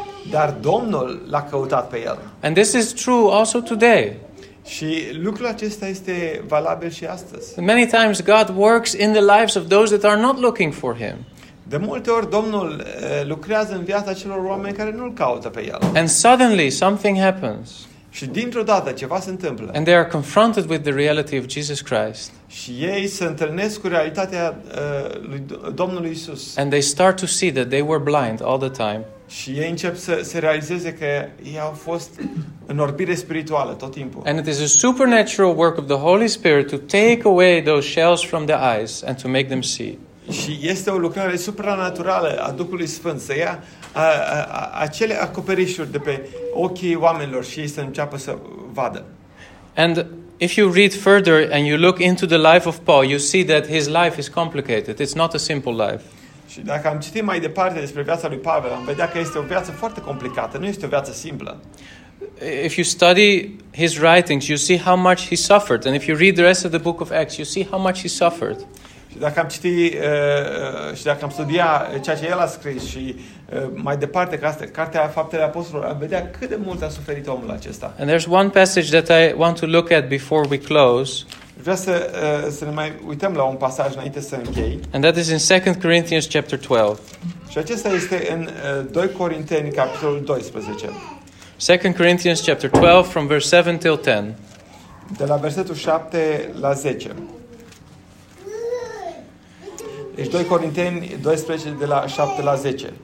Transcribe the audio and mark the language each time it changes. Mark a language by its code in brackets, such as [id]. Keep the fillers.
[ro] Dar Domnul l-a căutat pe el. [en] And this is true also today. [ro] Și acesta este valabil și astăzi. [en] Many times God works in the lives of those that are not looking for him. [ro] De multe ori Domnul uh, lucrează în viața celor oameni care nu-l caută pe el. [en] And suddenly something happens. [ro] Și dintr-o dată ceva se întâmplă. [en] And they are confronted with the reality of Jesus Christ. [ro] Și ei se întâlnesc cu realitatea uh, lui Domnului Isus. [en] And they start to see that they were blind all the time. [ro] Și ei încep să se realizeze că ei au fost în orbire spirituală tot timpul. [en] And it is a supernatural work of the Holy Spirit to take yeah. away those shells from the eyes and to make them see [ro] și este o lucrare supranaturală a Duhului Sfânt să ia a, a, a, acele acoperișuri de pe ochii oamenilor și ei să înceapă să vadă. [en] And if you read further and you look into the life of Paul, you see that his life is complicated. It's not a simple life. [ro] Și dacă am citit mai departe despre viața lui Pavel, am vedea că este o viață foarte complicată, nu este o viață simplă. [en] If you study his writings, you see how much he suffered. And if you read the rest of the book of Acts, you see how much he suffered. [ro] Dacă citit, uh, uh, și dacă am citit și dacă am studiat ceea ce el a scris și uh, mai departe că asta, cartea Faptele Apostolilor, am vedea cât de mult a suferit omul acesta. [en] And there's one passage that I want to look at before we close. [ro] Vreau să, să ne mai uităm la un pasaj înainte să închei. [en] And that is in 2 Corinthians chapter 12. [ro] Și acesta este în 2 Corinteni capitolul 12. [en] 2 Corinthians chapter 12 from verse 7 till 10. [ro] De la versetul 7 la 10. Deci 2 Corinteni 12 de la 7 de la 10.